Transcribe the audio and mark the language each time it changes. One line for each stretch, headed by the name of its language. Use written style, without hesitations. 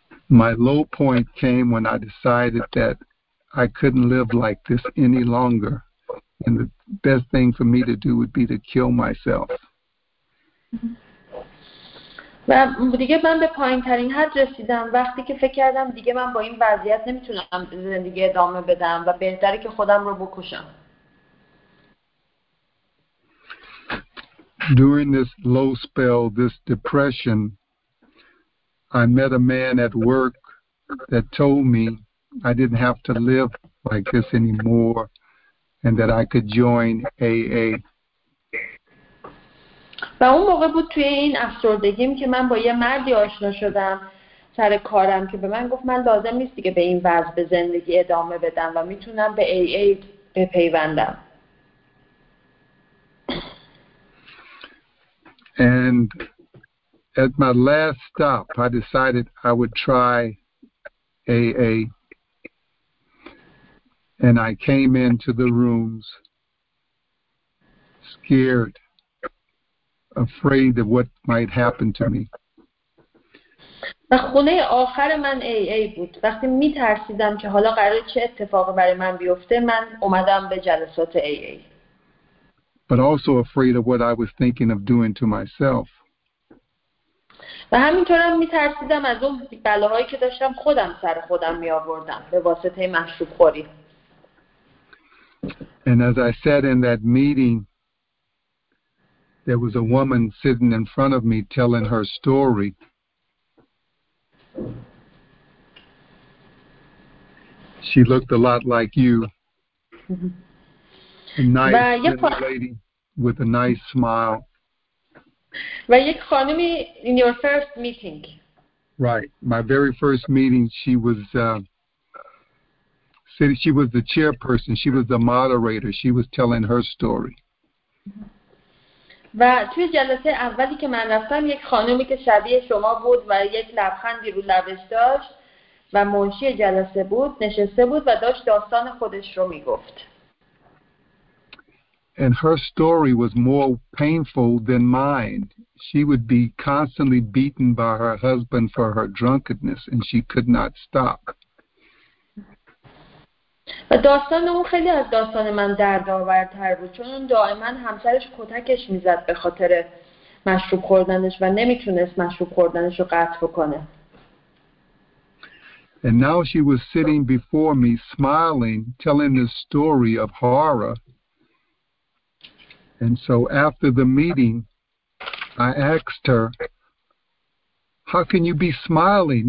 English: My low point came when I decided that I couldn't live like this any longer and the best thing for me to do would be to kill myself.
Persian: و دیگه من به پایین ترین حد رسیدم وقتی که فکر کردم دیگه من با این وضعیت نمیتونم زندگی ادامه بدم و بهتره که خودم رو بکشم.
English: During this low spell, this depression, I met a man at work that told me I didn't have to live like this anymore and that I could join AA.
Persian: و اون موقع بود توی این افسردگیم که من با یه مردی آشنا شدم سر کارم که به من گفت من لازم نیست دیگه به این وضع به زندگی ادامه بدم و میتونم به AA بپیوندم.
English: And at my last stop I decided I would try AA and I came into the rooms scared, afraid of what might happen to me.
Persian: و خونه آخر من AA بود. وقتی می‌ترسیدم که حالا قراره چه اتفاقی برای من بیفته، من اومدم به جلسات AA.
English: But also afraid of what I was thinking of doing to myself.
Persian: و همینطور هم می‌ترسیدم از اون بلاهایی که داشتم خودم سر خودم می‌آوردم به واسطه مشروب خوری.
English: And as I said in that meeting, there was a woman sitting in front of me telling her story. She looked a lot like you. A nice lady with a nice smile. In your first meeting. Right. My very first meeting, she was the chairperson. She was the moderator. She was telling her story.
Persian: و توی جلسه اولی که من رفتم یک خانومی که شبیه شما بود و یک لبخندی رو لبش داشت و منشی جلسه بود نشسته بود و داشت داستان خودش رو میگفت.
English: And her story was more painful than mine. She would be constantly beaten by her husband for her drunkenness and she could not stop.
Persian: و داستان اون خیلی از داستان من دردآورتر بود چون اون دائما همسرش کتکش میزد به خاطر مشروب خوردنش و نمیتونست مشروب خوردنش رو قطع بکنه.
English: And now she was sitting before me smiling telling the story of horror. And so after the meeting I asked her, how can you be smiling?